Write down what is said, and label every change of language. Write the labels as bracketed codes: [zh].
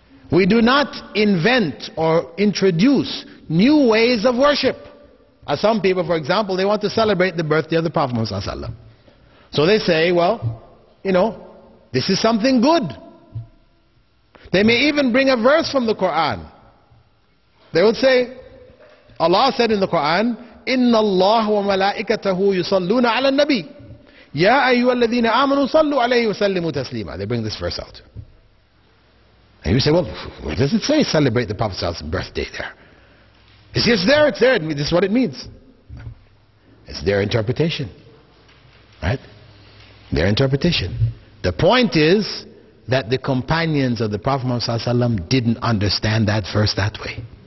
[en] We do not invent or introduce new ways of worship. As some people, for example, they want to celebrate the birthday of the Prophet Muhammad ﷺ. So they say, well, you know, this is something good. They may even bring a verse from the Quran. They would say, Allah said in the Quran, [ar] إِنَّ اللَّهُ وَمَلَائِكَتَهُ يُصَلُّونَ عَلَى النَّبِيِّ يَا أَيُّهَا الَّذِينَ آمَنُوا صَلُّوا عَلَيْهِ وَسَلِّمُوا تَسْلِيمًا. [en] They bring this verse out. And you say, well, what does it say, celebrate the Prophet's birthday there? It's there, it's there. This is what it means. It's their interpretation. Right? Their interpretation. The point is that the companions of the Prophet Muhammad ﷺ didn't understand that verse that way.